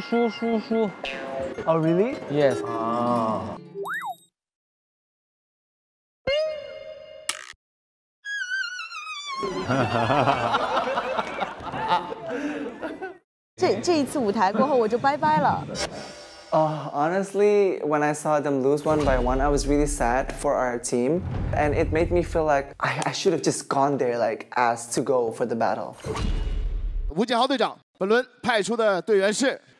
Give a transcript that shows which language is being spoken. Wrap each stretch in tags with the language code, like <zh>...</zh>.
<zh>输，</zh> <en>哦 ，really？ Yes。</en> <zh>这一次舞台过后我就拜拜了。</zh> <en>Honestly, when I saw them lose one by one, I was really sad for our team, and it made me feel like I should have just gone there, like asked to go for the battle.</en> <zh>吴建豪队长，本轮派出的队员是</zh>